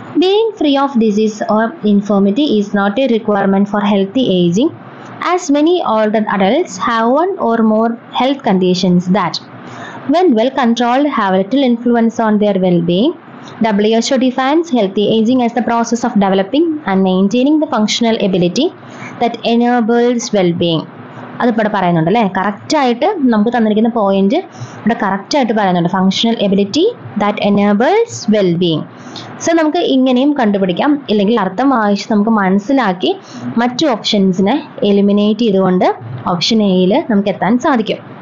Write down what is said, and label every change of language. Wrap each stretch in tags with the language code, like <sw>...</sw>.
<en>Being free of disease or infirmity is not a requirement for healthy ageing as many older adults have one or more health conditions that when well controlled have little influence on their well being. WHO defines healthy aging as the process of developing and maintaining the functional ability that enables well-being.</en> <ml>അത് ഇവിടെ പറയുന്നുണ്ട് അല്ലേ. കറക്റ്റായിട്ട് നമുക്ക് തന്നിരിക്കുന്ന point ഇവിടെ കറക്റ്റായിട്ട് പറയുന്നുണ്ട്,</ml> <en>Functional ability that enables well being.</en> <ml>So നമുക്ക് ഇങ്ങനെയും കണ്ടുപിടിക്കാം, ഇല്ലെങ്കിൽ അർത്ഥം വായിച്ച് നമുക്ക് മനസ്സിലാക്കി മറ്റു ഓപ്ഷൻസിനെ എലിമിനേറ്റ് ചെയ്തുകൊണ്ട് ഓപ്ഷൻ എയിൽ നമുക്ക് എത്താൻ സാധിക്കും.</ml>